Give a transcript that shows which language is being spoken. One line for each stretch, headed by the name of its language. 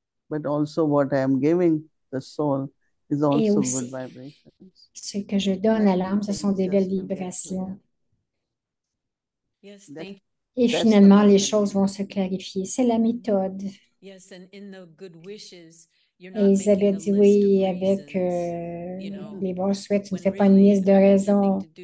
English: But also what I am giving the soul is also
French: aussi,
English: good vibrations.
French: Ce que je donne à l'âme, ce sont des belles vibrations.
English: Yes, thank you.
French: Et finalement, les choses vont se clarifier. C'est la méthode.
English: Yes, and in the good wishes,
French: Elisabeth dit oui, avec les bons souhaits, tu ne fais pas une liste de raisons.